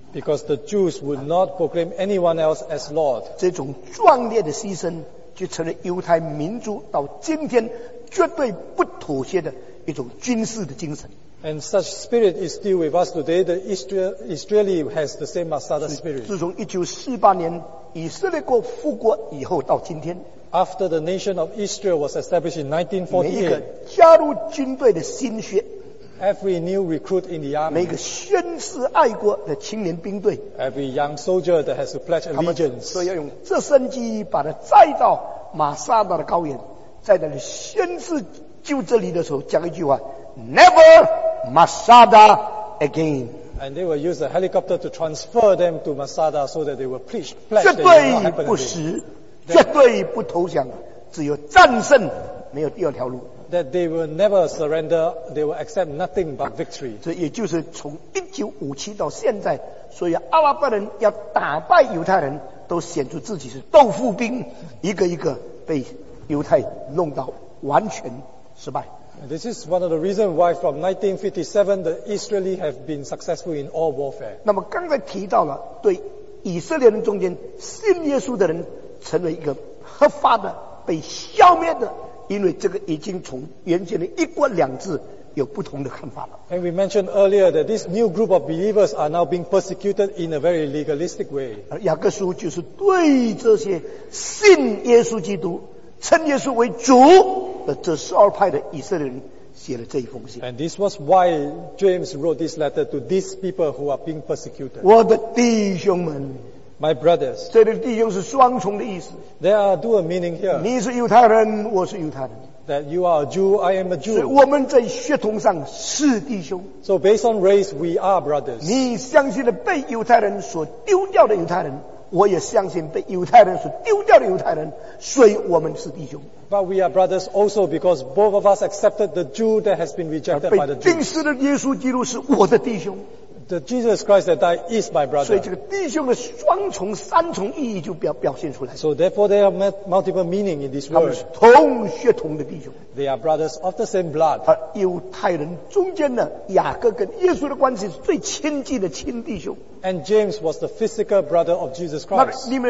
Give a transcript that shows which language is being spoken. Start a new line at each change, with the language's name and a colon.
English: Because the Jews would not proclaim anyone else as Lord.
Chinese: 这种壮烈的牺牲就成了犹太民族到今天绝对不妥协的一种军事的精神。
English: And such spirit is still with us today. The Israeli has the same Masada spirit.
Chinese: 自从1948年以色列国复国以后到今天，
English: After the nation of Israel was established in 1948,
Chinese: 每一个加入军队的心血，
English: Every new recruit in the army,
Chinese: 每个宣誓爱国的青年兵队，
English: Every young soldier that has to pledge allegiance,
Chinese: 所以要用直升机把他载到马萨达的高原，在那里宣誓就这里的时候讲一句话，
English: Never Masada again. And they will use a helicopter to transfer them to Masada so that they will pledge.
Chinese: 绝对不死，绝对不投降，只有战胜，没有第二条路。
English: That they will never surrender, they will accept nothing but victory.
Chinese: 这也就是从1957到现在，所以阿拉伯人要打败犹太人，都显出自己是豆腐兵，一个一个被犹太弄到完全失败。
English: This is one of the reasons why from 1957 the Israelis have been successful in all warfare.
Chinese: 那么刚才提到了，对以色列人中间信耶稣的人成为一个合法的被消灭的，因为这个已经从原先的一国两制有不同的看法了。
English: And we mentioned earlier that this new group of believers are now being persecuted in a very legalistic way.
Chinese: 而雅各书就是对这些信耶稣基督、称耶稣为主的这12派的以色列人写了这一封信。
English: And this was why James wrote this letter to these people who are being persecuted.
Chinese: 我的弟兄们。
English: My brothers,
Chinese: 这里弟兄是双重的意思。
English: There are dual meaning here.
Chinese: 你是犹太人，我是犹太人。
English: That you are a Jew, I am a Jew.
Chinese: 所以我们在血统上是弟兄。
English: So based on race, we are brothers.
Chinese: 你相信了被犹太人所丢掉的犹太人，我也相信被犹太人所丢掉的犹太人，所以我们是弟兄。
English: But we are brothers also because both of us accepted the Jew that has been rejected by the Jews.
Chinese: 被钉死的耶稣基督是我的弟兄。
English: The Jesus Christ that died is my brother.
Chinese: 所以这个弟兄的双重、三重意义就表现出来。
English: So therefore, there are multiple meaning in this word.
Chinese: 他们是同血同的弟兄。
English: They are brothers of the same blood.
Chinese: 而犹太人中间呢，雅各跟耶稣的关系是最亲近的亲弟兄。
English: And James was the physical brother of Jesus Christ.